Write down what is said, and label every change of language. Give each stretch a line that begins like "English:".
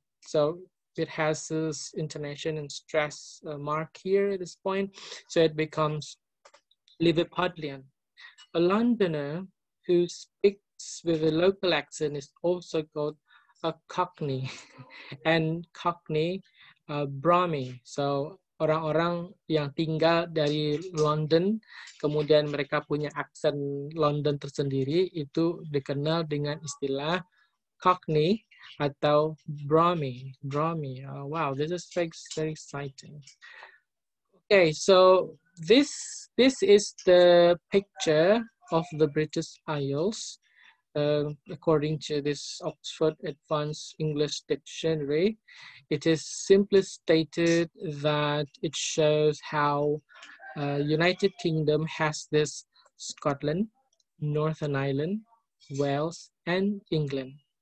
English: So it has this intonation and stress mark here at this point. So it becomes Liverpudlian. A Londoner who speaks with a local accent is also called a Cockney. And Cockney, Brummy.
Indonesian: So orang-orang yang tinggal dari London, kemudian mereka punya aksen London tersendiri, itu dikenal dengan istilah Cockney atau Brummy.
English: Brummy. Wow, this is very exciting. Okay, so this is the picture of the British Isles, according to this Oxford Advanced English Dictionary. It is simply stated that it shows how United Kingdom has this Scotland, Northern Ireland, Wales, and England.